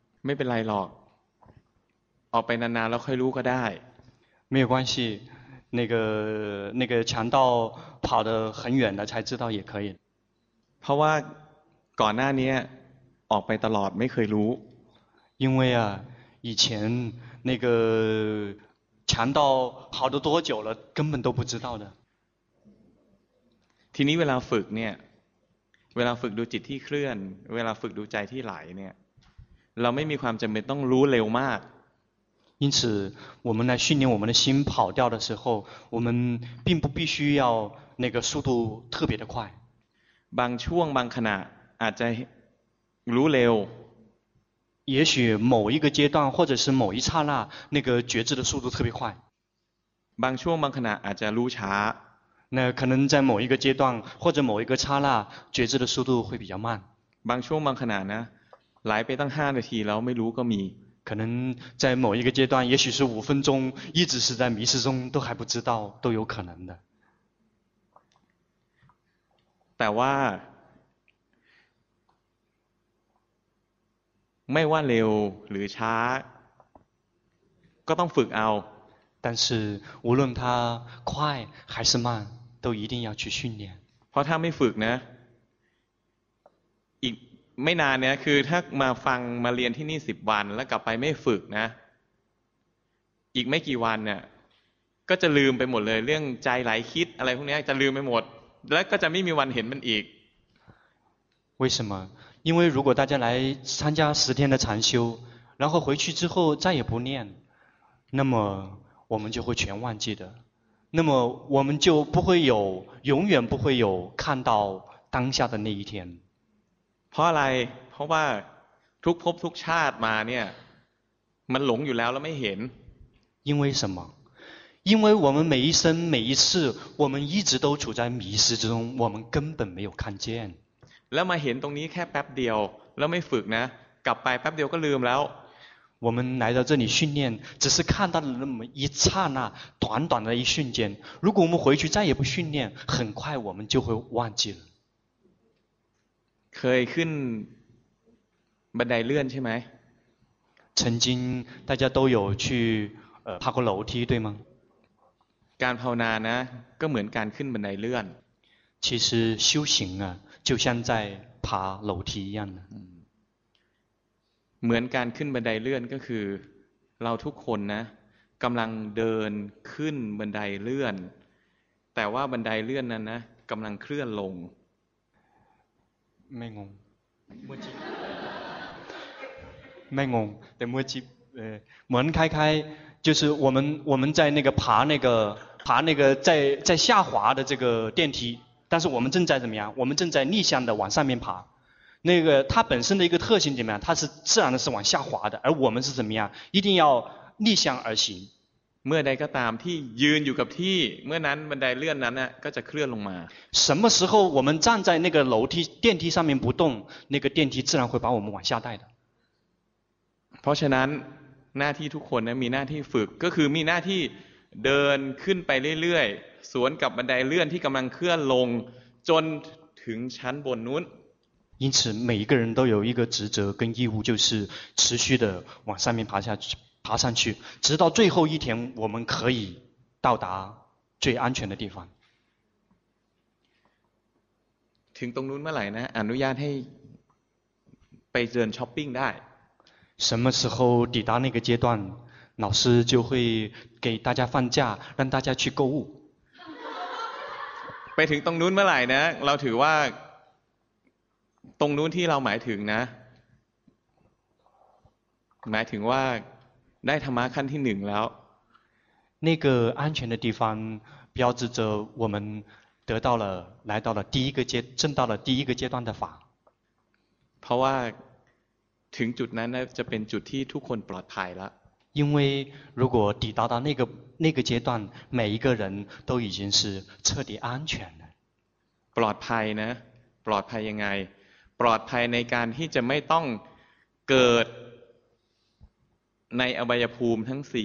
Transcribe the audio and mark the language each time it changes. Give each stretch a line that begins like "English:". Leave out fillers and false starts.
Thai: ไม่เป็นไรหรอกออกไปนานๆแล้วค่อยรู้ก็ได้
Chinese: ไม่关系那个强盗跑得很远了才知道也可以
Thai: เพราะว่าก่อนหน้านี้ออกไปตลอดไม่เคยรู้
Chinese: 因为啊以前那个强盗跑得多久了根本都不知道的
Thai: ทีนี้เวลาฝึกเนี่ยเวลาฝึกดูจิตที่เคลื่อนเวลาฝึกดูใจที่ไหลเนี่ยเราไม่มีความจำเป็นต้องรู้เร็วมาก
Chinese: 因此我们来训练我们的心跑掉的时候我们并不必须要那个速度特别的快
Thai: บางช่วงบางขณะอาจจะรู้เร็ว
Chinese: 也许某一个阶段或者是某一刹那那个觉知的速度特别快
Thai: บางช่วงบางขณะอาจจะรู้ช้า
Chinese: 那可能在某一个阶段或者某一个刹那觉知的速度会比较慢
Thai: บางช่วงบางขณะนะไหลไปตั้ง5นาทีแล้วไม่รู้ก็มี
Chinese: 可能在某一个阶段也许是五分钟一直是在迷失中都还不知道都有可能的
Thai: แต่ว่าไม่ว่าเร็วหรือช้าก็ต้องฝึกเอา
Chinese: 但是无论它快还是慢都一定要去训练
Thai: เพราะถ้าไม่ฝึกนะอีกไม่นานเนี่ยคือถ้ามาฟังมาเรียนที่นี่10วันแล้วกลับไปไม่ฝึกนะอีกไม่กี่วันเนี่ยก็จะลืมไปหมดเลยเรื่องใจไหลคิดอะไรพวกนี้จะลืมไปหมดแล้วก็จะไม่มีวันเห็นมันอีก
Chinese: 为什么因为如果大家来参加十天的禅修然后回去之后再也不念那么我们就会全忘记的那么我们就不会有永远不会有看到当下的那一天
Thai: เพราะอะไรเพราะว่าทุกภพทุกชาติมาเนี่ยมันหลงอยู่แล้วแล้วไม่เห็น
Chinese: 因为什么因为我们每一生每一次我们一直都处在迷失之中我们根本没有看见
Thai: แล้วมาเห็นตรงนี้แค่แป๊บเดียวแล้วไม่ฝึกนะกลับไปแป๊บเดียวก็ลืมแล้ว
Chinese: 我们来到这里训练只是看到了那么一刹那短短的一瞬间如果我们回去再也不训练很快我们就会忘记了
Thai: เคยขึ้นบันไดเลื่อนใช่ไหม
Chinese: 曾经大家都有去爬过楼梯对吗
Thai: การภาวนานะก็เหมือนการขึ้นบันไดเลื่อน
Chinese: 其实修行啊就像在爬楼梯一样的
Thai: เหมือนการขึ้นบันไดเลื่อนก็คือเราทุกคนนะกำลังเดินขึ้นบันไดเลื่อนแต่ว่าบันไดเลื่อนนั้นนะกำลังเคลื่อนลง ไม่งงเมื่อกี้ไม่งงแต่เมื่อกี้เหมือนคล้ายๆ
Chinese: 就是我们在那个爬那个在下滑的这个电梯但是我们正在怎么样我们正在逆向的往上面爬那个它本身的一个特性怎么样它是自然的是往下滑的而我们是怎么样一定要逆向而行
Thai: เมื่อใดก็ตามที่ยืนอยู่กับที่เมื่อนั้นบันไดเลื่อนนั้นน่ะก็จะเคลื่อนลงมา
Chinese: 什么时候我们站在那个楼梯电梯上面不动那个电梯自然会把我们往下带的
Thai: เพราะฉะนั้นหน้าที่ทุกคนนะมีหน้าที่ฝึกก็คือมีหน้าที่เดินขึ้นไปเรื่อยๆสวนกับบันไดเลื่อนที่กำลังเคลื่อนลงจนถึงชั้นบนนู้น
Chinese: 因此每一个人都有一个职责跟义务就是持续的往上面爬下去爬上去直到最后一天我们可以到达最安全的地方
Thai: ถึงตรงนู้นเมื่อไหร่นะอนุญาตให้ไปเดินช้อปปิ้งได้
Chinese: 什么时候抵达那个阶段老师就会给大家放假让大家去购物
Thai: ไปถึงตรงนู้นเมื่อไหร่นะเราถือว่าตรงนู้นที่เราหมายถึงนะหมายถึงว่า ได้ธรรมะขั้นที่หนึ่งแล้ว
Chinese: 那个安全的地方标志着我们得到了来到了第一个阶证到了第一个阶段的法
Thai: เพราะว่าถึงจุดนั้นจะเป็นจุดที่ทุกคนปลอดภัยแล้ว
Chinese: 因为如果抵达到那个阶段每一个人都已经是彻底安全
Thai: ปลอดภัยนะปลอดภัยยังไงปลอดภัยในการที่จะไม่ต้องเกิดในอบายภูมิทั้งสี